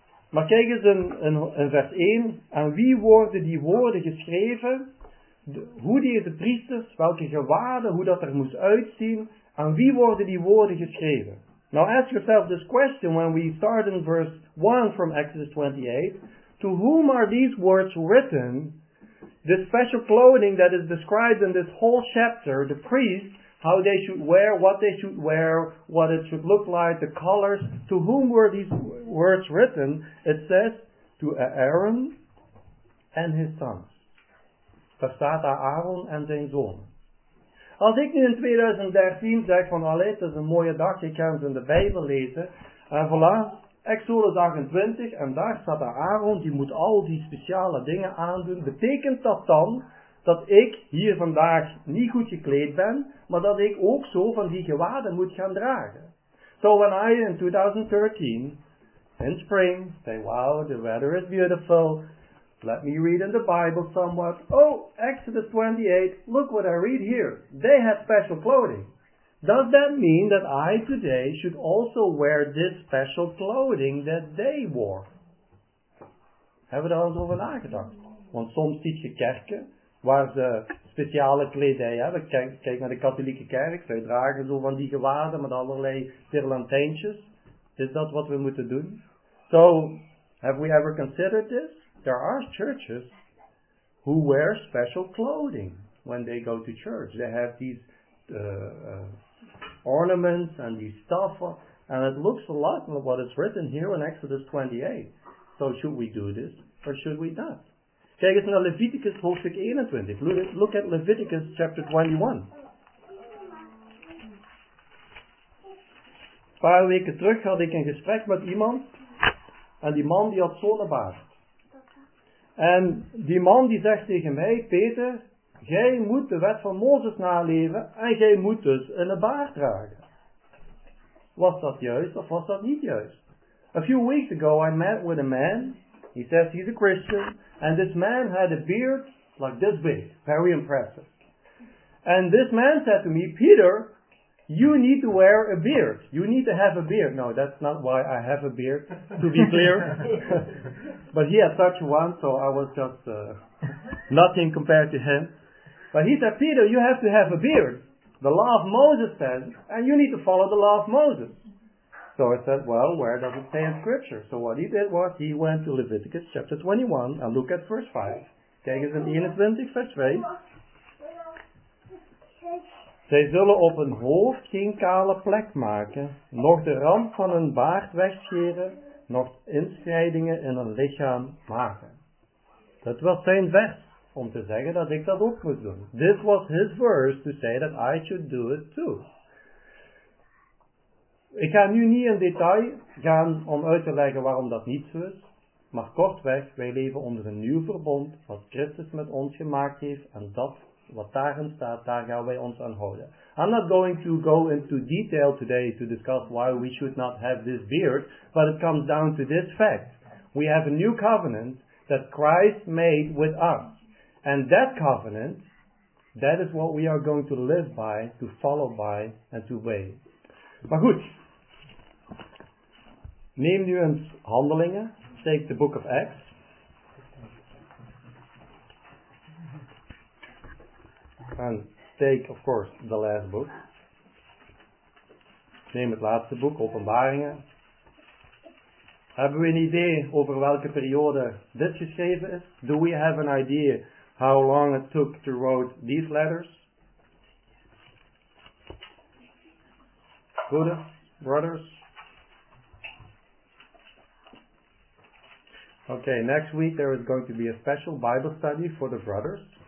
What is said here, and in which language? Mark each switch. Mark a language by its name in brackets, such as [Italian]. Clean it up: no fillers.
[Dutch] Maar kijk eens in vers 1, aan wie worden die woorden geschreven, hoe deze priesters, welke gewaden, hoe dat er moest uitzien, aan wie worden die woorden geschreven? [English] Now ask yourself this question when we start in verse 1 from Exodus 28. To whom are these words written? This special clothing that is described in this whole chapter, the priests, how they should wear, what they should wear, what it should look like, the colors. To whom were these words written? It says, to Aaron and his sons. [Dutch] Daar staat Aaron en zijn zoon. Als ik nu in 2013 zeg van allee, het is een mooie dag, je kan ze in de Bijbel lezen. En voilà, Exodus 28 en daar staat Aaron, die moet al die speciale dingen aandoen. Betekent dat dan dat ik hier vandaag niet goed gekleed ben, maar dat ik ook zo van die gewaden moet gaan dragen? [English] So when I in 2013, in spring, say wow, the weather is beautiful, let me read in the Bible somewhat. Oh, Exodus 28, look what I read here. They had special clothing. Does that mean that I today should also wear this special clothing that they wore? [Dutch] Hebben we daar al eens over nagedacht? Want soms zie je kerken waar ze speciale kledij hebben. Kijk naar de katholieke kerk. Zij dragen zo van die gewaden met allerlei tirlantijntjes. Is dat wat we moeten doen? [English] So, have we ever considered this? There are churches who wear special clothing when they go to church. They have these ornaments and these stuff. And it looks a lot like what is written here in Exodus 28. So should we do this or should we not? [Dutch] Kijk eens naar Leviticus hoofdstuk 21. [English] Look at Leviticus chapter 21. [Dutch] Een paar weken terug had ik een gesprek met iemand. En die man die had zonnebaard. En die man die zegt tegen mij, Peter, jij moet de wet van Mozes naleven en jij moet dus een baard dragen. Was dat juist of was dat niet juist? [English] A few weeks ago I met with a man, he says he's a Christian, and this man had a beard like this big, very impressive. And this man said to me, Peter, you need to wear a beard, you need to have a beard. No, that's not why I have a beard, to be clear. But he had such one, so I was just nothing compared to him. But he said, Peter, you have to have a beard. The law of Moses says, and you need to follow the law of Moses. So I said, well, where does it say in Scripture? So what he did was, he went to Leviticus chapter 21, and look at verse 5. [Dutch] Kijk eens in 21, vers 5. Zij zullen op hun hoofd geen kale plek maken, nog de rand van hun baard wegscheren, nog inscheidingen in een lichaam maken. Dat was zijn vers, om te zeggen dat ik dat ook moest doen. [English] This was his verse to say that I should do it too. [Dutch] Ik ga nu niet in detail gaan om uit te leggen waarom dat niet zo is, maar kortweg, wij leven onder een nieuw verbond, wat Christus met ons gemaakt heeft, en dat wat daarin staat, daar gaan wij ons aan houden. [English] I'm not going to go into detail today to discuss why we should not have this beard, but it comes down to this fact. We have a new covenant that Christ made with us. And that covenant, that is what we are going to live by, to follow by, and to obey. [Dutch] Maar goed. Neem nu eens Handelingen. [English] Take the book of Acts. And take, of course, the last book. [Dutch] Neem het laatste boek, Openbaringen. Hebben we een idee over welke periode dit geschreven is? [English] Do we have an idea how long it took to write these letters? [Dutch] Goede, [English] brothers. Okay, next week there is going to be a special Bible study for the brothers.